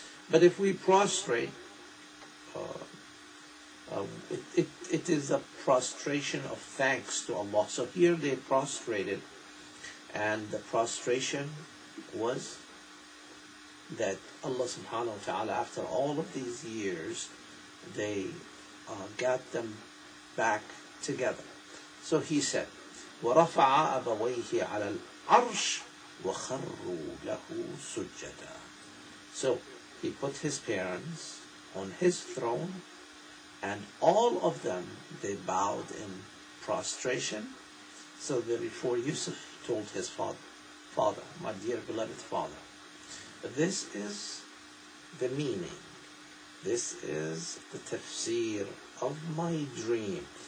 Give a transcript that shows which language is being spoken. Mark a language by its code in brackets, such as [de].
[en] But if we prostrate, it is a prostration of thanks to Allah. So here they prostrated, and the prostration was that Allah subhanahu wa ta'ala, after all of these years, they got them back together. So he said, [ar] وَرَفَعَ أَبَوَيْهِ عَلَى الْعَرْشِ وَخَرُّوا لَهُ سُجَّدًا. [en] So he put his parents on his throne, and all of them, they bowed in prostration. So therefore Yusuf told his father, "Father, my dear beloved father, this is the meaning, this is the tafsir of my dream."